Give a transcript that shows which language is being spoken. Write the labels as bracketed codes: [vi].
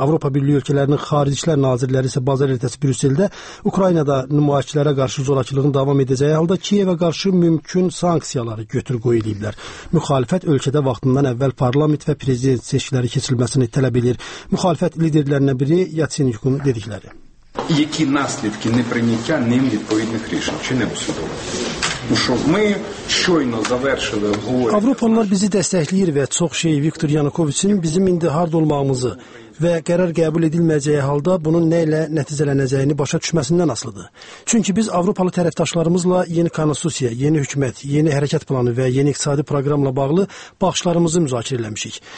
[az] Avropa Birliyi ölkələrinin xarici işlər nazirləri isə bazar ertəsi Brüsseldə Ukraynada nümayişçilərə qarşı zorakılığın davam edəcəyi halda Kiyevə qarşı mümkün sanksiyaları götür-qoy ediblər. Müxalifət ölkədə vaxtından əvvəl parlament və prezident seçkiləri keçirilməsini tələb edir. Müxalifət liderlərindən biri Yatsenyukun dedikləri. [uk] Які наслідки неприйняття ним відповідних рішень чи не усвідомлення? Що ми щойно завершили обговорення. [az] Avropalılar bizi dəstəkləyir və çox şey Viktor Yanukovicin bizim indi hard olmağımızı və qərar qəbul edilməyəcəyi halda bunun nə ilə nəticələnəcəyini başa düşməsindən asılıdır. Çünki biz Avropalı tərəfdaşlarımızla yeni konstitusiya, yeni hökumət, yeni hərəkət planı və yeni iqtisadi proqramla bağlı baxışlarımızı müzakirə eləmişik.